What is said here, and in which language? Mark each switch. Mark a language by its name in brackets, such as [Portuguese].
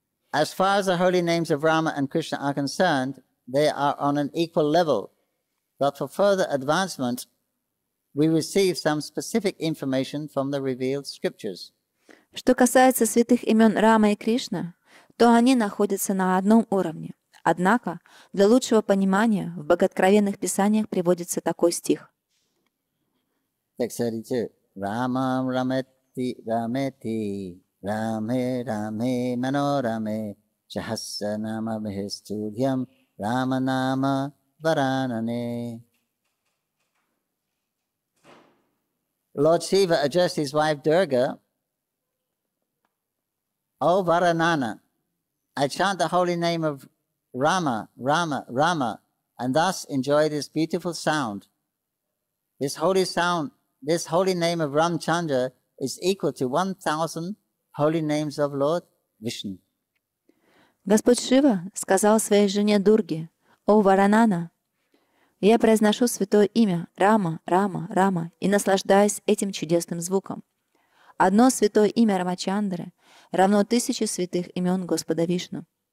[English] As far as the holy names of Rama and Krishna are concerned, they are on an equal level. But for further advancement, we receive some specific information from the revealed scriptures. [Russian] Что касается святых имен Рама и Кришна, то они находятся на одном уровне. Однако, для лучшего понимания, в богооткровенных писаниях приводится такой стих. [Sanskrit] Text 32. Рама рамети рамети. Раме, раме, мано раме, чахасса нама бхистудьям, рама нама варанане. [English] Lord Shiva addressed his wife Durga, O Varanana, I chant the holy name of Rama, Rama, Rama, and thus enjoy this beautiful sound. This holy sound, this holy name of Ramchandra is equal to 1,000 holy names of Lord Vishnu. [Russian] Господь Шива сказал своей жене Дурге, «О Варанана, я произношу святое имя Рама, Рама, Рама и наслаждаюсь этим чудесным звуком. Одно святое имя Рамачандры равно 1000 святых имен Господа Вишну».